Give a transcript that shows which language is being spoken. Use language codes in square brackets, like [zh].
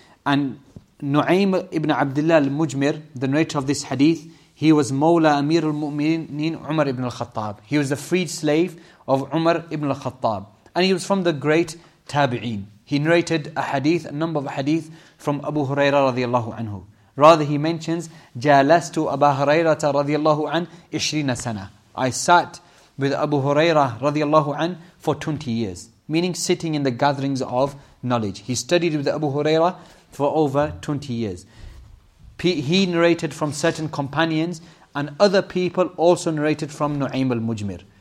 [en] And Nu'aym ibn Abdullah al-Mujmir, the narrator of this hadith, he was Mawla Amir al-Mu'mineen Umar ibn al-Khattab. He was the freed slave of Umar ibn al-Khattab. And he was from the great Tabi'een. He narrated a hadith, a number of hadith from Abu Hurairah radiallahu anhu. Rather, he mentions, [ar] جَالَسْتُ أَبَا هُرَيْرَةَ رَضِيَ اللَّهُ عَنْ 20 سَنَةً. [en] I sat with Abu Hurairah radiallahu anh for 20 years, meaning sitting in the gatherings of knowledge. He studied with Abu Hurairah for over 20 years. He narrated from certain companions, and other people also narrated from Nu'aym al-Mujmir.